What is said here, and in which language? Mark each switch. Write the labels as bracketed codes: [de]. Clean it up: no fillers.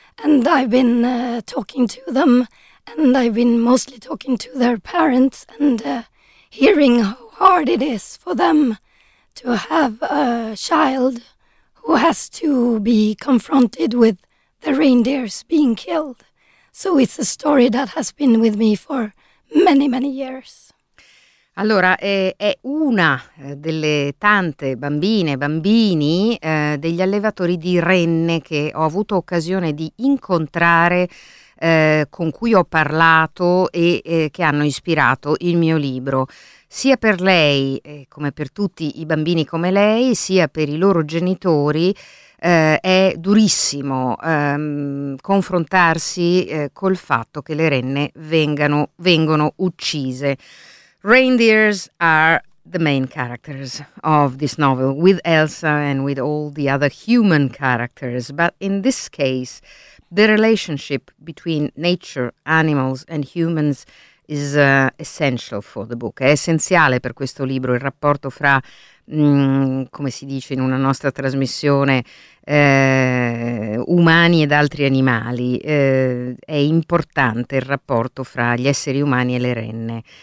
[en] And I've been talking to them, and I've been mostly talking to their parents and hearing how hard it is for them to have a child who has to be confronted with the reindeers being killed. So it's a story that has been with me for many, many years. [it] Allora, è una delle tante bambine, bambini, degli allevatori di renne che ho avuto occasione di incontrare, con cui ho parlato e che hanno ispirato il mio libro. Sia per lei, come per tutti i bambini come lei, sia per i loro genitori, è durissimo confrontarsi col fatto che le renne vengono uccise. [en] Reindeers are the main characters of this novel, with Elsa and with all the other human characters. But in this case, the relationship between nature, animals and humans is essential for the book. [it] È essenziale per questo libro il rapporto fra, come si dice in una nostra trasmissione, umani ed altri animali. È importante il rapporto fra gli esseri umani e le renne.